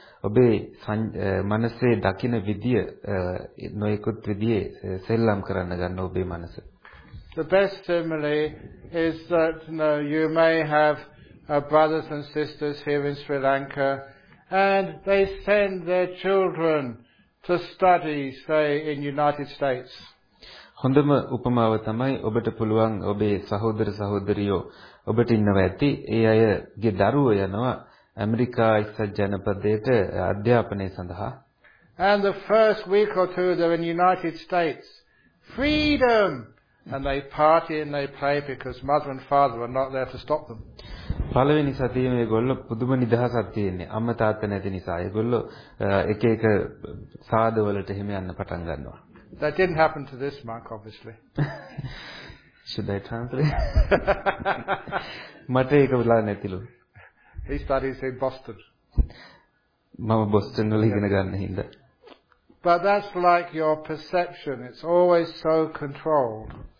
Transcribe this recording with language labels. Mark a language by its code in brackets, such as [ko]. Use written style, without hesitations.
[si] ඔබේ මනසේ දකින විදිය නොයෙකුත් විදිහ සෙල්ලම් කරන්න ගන්න ඔබේ මනස. [en] The best simile is that, you know, you may have brothers and sisters here in Sri Lanka, and they send their children to study, say, in United States. [si] හොඳම උපමාව තමයි ඔබට පුළුවන් ඔබේ සහෝදර සහෝදරියෝ ඔබට ඉන්නවා ඇති. ඒ අයගේ දරුවෝ යනවා ඇමරිකා එක්සත් ජනපදයට අධ්‍යාපනය සඳහා. [en] And the first week or two they're in United States. Freedom! And they party and they play because mother and father were not there to stop them. [si] පළවෙනි සතියේ මේගොල්ල පුදුම නිදහසක් තියෙන්නේ. අම්මා තාත්තා නැති නිසා. ඒගොල්ල එක එක සාදවලට එහෙම යන්න පටන් ගන්නවා. [en] That didn't happen to this monk, obviously. Should I translate? [si] මට ඒක වෙලා නැතිලු. [en] He studies in Boston. [si] මම බොස්ටන් වල ඉගෙන ගන්න හින්දා. [en] But that's like your perception. It's always so controlled.